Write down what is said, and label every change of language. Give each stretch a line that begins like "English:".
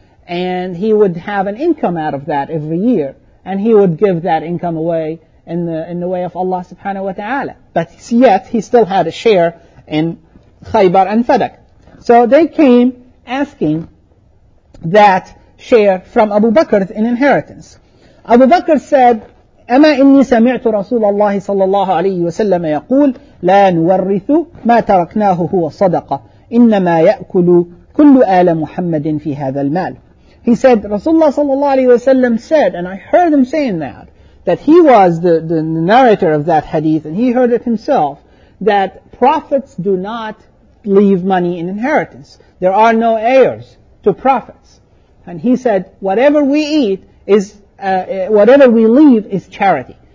English: And he would have an income out of that every year, and he would give that income away in the way of Allah subhanahu wa ta'ala. But yet, he still had a share in Khaybar and Fadak. So they came asking that share from Abu Bakr in inheritance. Abu Bakr said,
Arabic: أَمَا إِنِّي سَمِعْتُ رَسُولَ اللَّهِ صَلَّى اللَّهُ عَلَيْهِ وَسَلَّمَ يَقُولُ لَا نُوَرِّثُ مَا تَرَكْنَاهُ هُوَ صَدَقَةٌ إِنَّمَا يَأْكُلُ كُلُّ آلَ مُحَمَّدٍ فِي هَذَا الْمَالِ.
English: He said, Rasulullah sallallahu alayhi wa sallam said, and I heard him saying that he was the narrator of that hadith, and he heard it himself, that prophets do not leave money in inheritance. There are no heirs to prophets. And he said, whatever we eat is, whatever we leave is charity.